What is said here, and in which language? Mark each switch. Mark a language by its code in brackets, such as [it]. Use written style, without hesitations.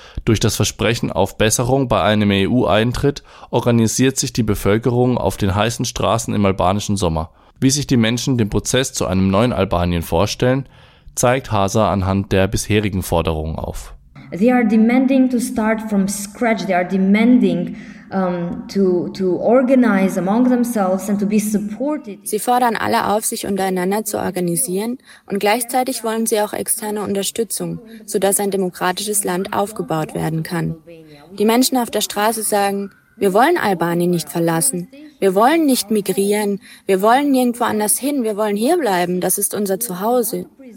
[de] Durch das Versprechen auf Besserung bei einem EU-Eintritt organisiert sich die Bevölkerung auf den heißen Straßen im albanischen Sommer. Wie sich die Menschen den Prozess zu einem neuen Albanien vorstellen, zeigt Hasa anhand der bisherigen Forderungen auf. [en] They are demanding to start from scratch. They are demanding to organize among themselves and to be supported. [de] Sie fordern alle auf, sich untereinander zu organisieren, und gleichzeitig wollen sie auch externe Unterstützung, sodass ein demokratisches Land aufgebaut werden kann. Die Menschen auf der Straße sagen, wir wollen Albanien nicht verlassen. Wir wollen nicht migrieren. Wir wollen nirgendwo anders hin. Wir wollen hierbleiben. Das ist unser Zuhause.